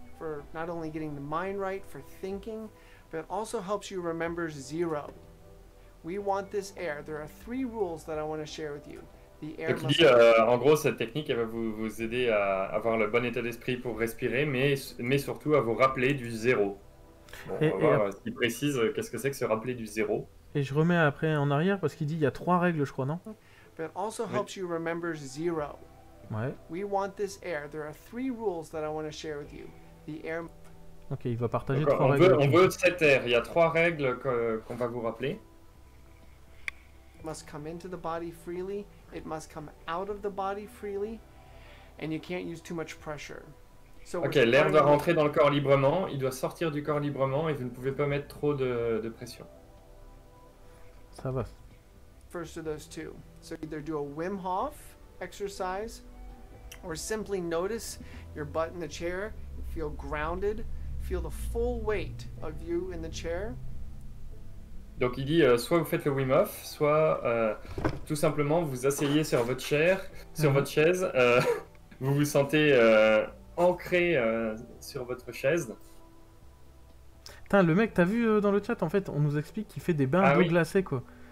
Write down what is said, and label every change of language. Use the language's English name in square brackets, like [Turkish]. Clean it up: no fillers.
[English] For not only getting the mind right for thinking, but also helps you remember zero. We want this air. There are 3 rules that I want to share with you. The air. [French] Donc, [English] must [French] dit, en gros, cette technique elle va vous aider à avoir le bon état d'esprit pour respirer, mais surtout à vous rappeler du zéro. Bon, on va voir ce qu'il précise. Qu'est-ce que c'est que se rappeler du zéro? Et je remets après en arrière parce qu'il dit il y a 3 règles, je crois, non? [English] But also helps you remember zero. [French] Ouais. [English] We want this air. There are 3 rules that I want to share with you. [French] Ok, il va partager 3 règles. On veut cet air. Il y a 3 règles qu'on va vous rappeler. [English] It must come into the body freely. It must come out of the body freely. And you can't use too much pressure. [French] So ok, l'air doit rentrer dans le corps librement. Il doit sortir du corps librement. Et vous ne pouvez pas mettre trop de pression. Ça va. [English] First of those two. So either do a Wim Hof exercise. Or simply notice your butt in the chair. Feel grounded, feel the full weight of you in the chair. [French] Donc il dit soit vous faites le Wim Hof, soit tout simplement vous asseyez sur votre chair, sur votre chaise, vous vous sentez ancré sur votre chaise. Putain, le mec, t'as vu dans le chat, en fait, on nous explique qu'il fait des bains d'eau glacée, quoi.